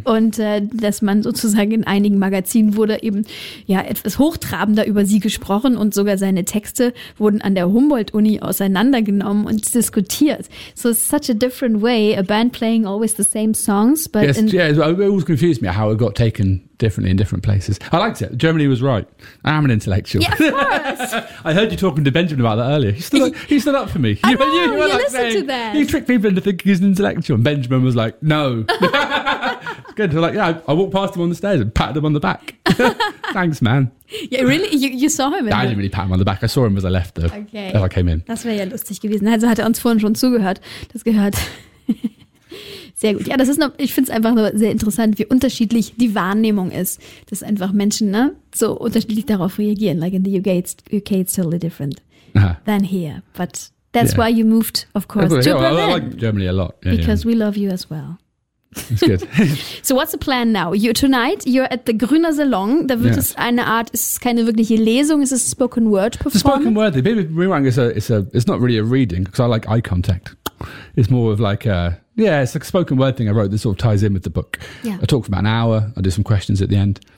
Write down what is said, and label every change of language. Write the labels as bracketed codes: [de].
[de] Und dass man sozusagen in einigen Magazinen wurde eben ja etwas hochtrabender über sie gesprochen und sogar seine Texte wurden an der Humboldt-Uni auseinandergenommen und diskutiert. [en] So it's such a different way, a band playing always the same songs. But It always confused me how it got taken differently in different places. I liked it. Germany was right. I'm an intellectual. Yeah, of course. I heard you talking to Benjamin about that earlier. He stood up for me. You listened to that. You tricked people into thinking he's an intellectual. And Benjamin was like, no. Good. They're like, I walked past him on the stairs and patted him on the back. Thanks, man. Yeah, really? You saw him? I didn't really pat him on the back. I saw him as I left, though. Okay. As I came in. [de] Das wäre ja lustig gewesen. Also hat uns vorhin schon zugehört. Das gehört. Sehr gut. Ja, das ist noch, ich finde es einfach nur sehr interessant, wie unterschiedlich die Wahrnehmung ist, dass einfach Menschen, ne, so unterschiedlich darauf reagieren. [en] Like in the UK, it's totally different than here. But that's why you moved, of course, to Berlin. I like Germany a lot. Yeah, because we love you as well. That's good. So what's the plan now? Tonight, you're at the Grüner Salon. [de] Da wird es eine Art, es ist keine wirkliche Lesung, es ist [en] spoken word performance. Spoken word, maybe rewind, it's not really a reading, because I like eye contact. It's more of like it's like a spoken word thing I wrote that sort of ties in with the book. Yeah. I talk for about an hour, I do some questions at the end.